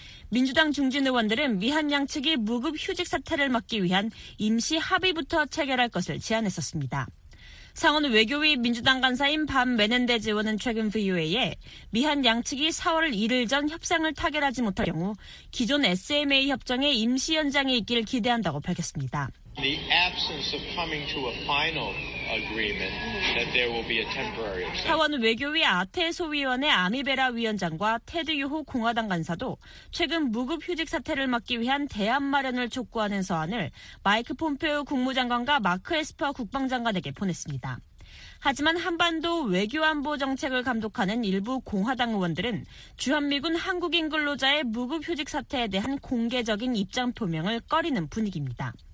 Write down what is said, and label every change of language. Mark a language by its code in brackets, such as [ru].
[ko] 민주당 중진 의원들은 미한 양측이 무급휴직 사태를 막기 위한 임시 합의부터 체결할 것을 제안했었습니다. 상원 외교위 민주당 간사인 밤 메넨데즈 의원은 최근 VOA에 미한 양측이 4월 1일 전 협상을 타결하지 못할 경우 기존 SMA 협정의 임시 연장이 있길 기대한다고 밝혔습니다. [en] The absence of coming to a final agreement that there will be a temporary. [ko] 하원 외교위 아테소 위원의 아미베라 위원장과 테드 유호 공화당 간사도 최근 무급 휴직 사태를 막기 위한 대안 마련을 촉구하는 서한을 마이크 폼페오 국무장관과 마크 에스퍼 국방장관에게 보냈습니다. 하지만 한반도 외교안보정책을 감독하는 일부 공화당 의원들은 주한미군 한국인 근로자의 무급 휴직 사태에 대한 공개적인 입장 표명을 꺼리는 분위기입니다.